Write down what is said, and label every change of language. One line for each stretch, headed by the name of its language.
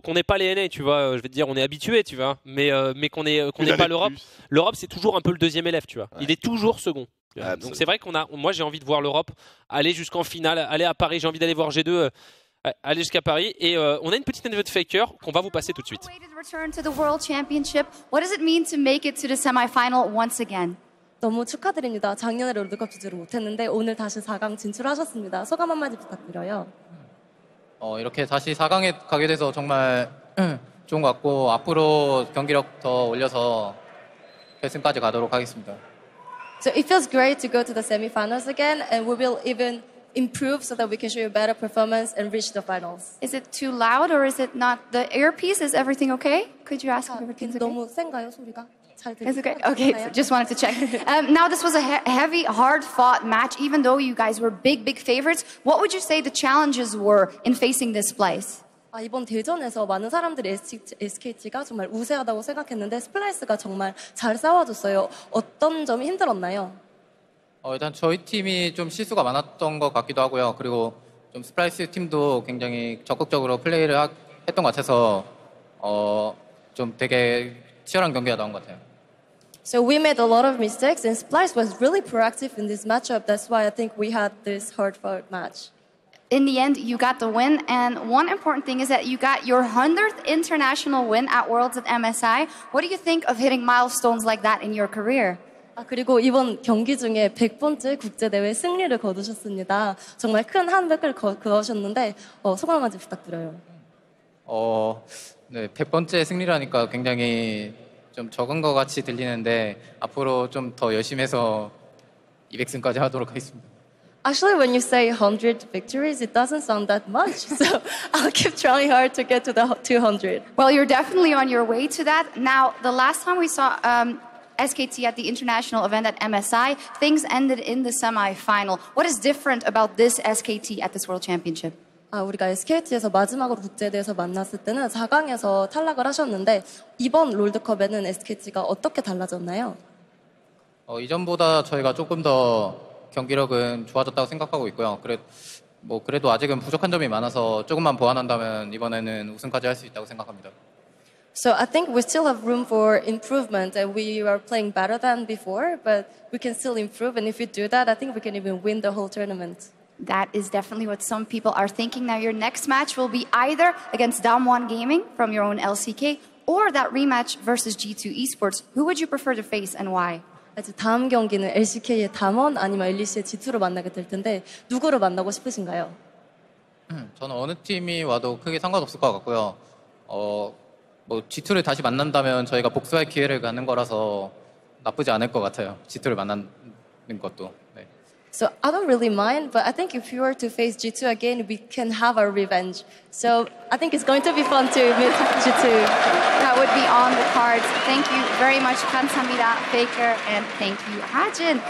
French: Qu'on n'ait pas les NA, tu vois. Je vais te dire, on est habitué, tu vois. Mais qu'on ait pas l'Europe. L'Europe, c'est toujours un peu le deuxième élève, tu vois. Ouais. Il est toujours second. Ouais, donc, c'est vrai qu'on a. Moi, j'ai envie de voir l'Europe aller jusqu'en finale, aller à Paris. J'ai envie d'aller voir G2. Allez jusqu'à Paris et on a une petite interview de Faker qu'on va vous passer tout de suite.
English: Return to the World Championship. What does it mean to make it to the semi-final once again?
Korean: 너무 축하드립니다. 작년에 롤드컵 진출을 못했는데 오늘 다시 4강 진출하셨습니다. 소감 한마디 부탁드려요. 이렇게 다시 4강에 가게 돼서 정말 좋은 것 같고 앞으로 경기력 더 올려서 결승까지 가도록 하겠습니다.
English: So it feels great to go to the semi-finals again, and we will even improve so that we can show you a better performance and reach the finals. Is it too loud or is it not the earpiece? Is everything okay? Could you ask if everything's okay?
Korean: 너무 센가요 소리가? 잘 들려요?
English: It's okay. Okay, so just wanted to check. Now this was a heavy, hard-fought match. Even though you guys were big, big favorites, what would you say the challenges were in facing this place?
Korean: 이번 대전에서 많은 사람들이 SKT가 정말 우세하다고 생각했는데 스플라이스가 정말 잘 싸워줬어요. 어떤 점이 힘들었나요? 일단 저희 팀이 좀 실수가 많았던 것 같기도 하고요. 그리고 좀 스플라이스 팀도 굉장히 적극적으로 플레이를 했던 것 같아서 좀 되게 치열한 경기가 나온 것 같아요.
English: So we made a lot of mistakes and Splice was really proactive in this matchup. That's why I think we had this hard-fought match. In the end, you got the win. And one important thing is that you got your 100th international win at Worlds at MSI. What do you think of hitting milestones like that in your career?
Korean: 아, 그리고 이번 경기 중에 100번째 국제대회 승리를 거두셨습니다. 정말 큰 한 획을 그으셨는데 소감 한마디 부탁드려요. 네, 100번째 승리라니까 굉장히 좀 적은 것 같이 들리는데 앞으로 좀 더 열심히 해서 200승까지 하도록 하겠습니다.
English: Actually, when you say 100 victories, it doesn't sound that much. So I'll keep trying hard to get to the 200. Well, you're definitely on your way to that. Now, the last time we saw SKT at the international event at MSI, things ended in the semi-final. What is different about this SKT at this World Championship?
Korean: 우리가 SKT에서 마지막으로 국제대회에서 만났을 때는 4강에서 탈락을 하셨는데 이번 롤드컵에는 SKT가 어떻게 달라졌나요? 이전보다 저희가 조금 더 경기력은 좋아졌다고 생각하고 있고요. 그래도 아직은 부족한 점이 많아서 조금만 보완한다면 이번에는 우승까지 할 수 있다고 생각합니다.
English: So I think we still have room for improvement and we are playing better than before, but we can still improve. And if we do that, I think we can even win the whole tournament. That is definitely what some people are thinking. Now your next match will be either against Damwon Gaming from your own LCK or that rematch versus G2 Esports. Who would you prefer to face and why?
Korean: 다음 경기는 LCK의 담원 아니면 LEC의 G2로 만나게 될 텐데 누구를 만나고 싶으신가요? 저는 어느 팀이 와도 크게 상관없을 것 같고요. 뭐 G2를 다시 만난다면 저희가 복수할 기회를 갖는 거라서 나쁘지 않을 것 같아요. G2를 만나는 것도. 네.
English: So I don't really mind, but I think if you were to face G2 again, we can have our revenge. So I think it's going to be fun to meet G2. That would be on the cards. Thank you very much,
Korean: 감사합니다,
English: Faker, and thank you, Hajin.